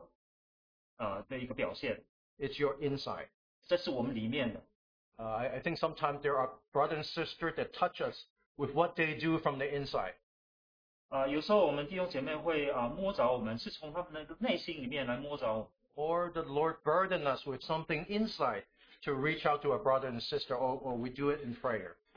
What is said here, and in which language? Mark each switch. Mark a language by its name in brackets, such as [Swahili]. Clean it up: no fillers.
[Chinese] 在我的圣经的翻译里面，它是讲到我们内心的这个表现。 [English] It's your inside. [Chinese] 这是我们里面的。 [English] I think sometimes there are brothers and sisters that touch us with what they do from the inside. [Chinese] 有时候我们弟兄姐妹会摸着我们，是从他们的内心里面来摸着。 [English] Or the Lord burden us with something inside to reach out to a brother and sister, or we do it in prayer.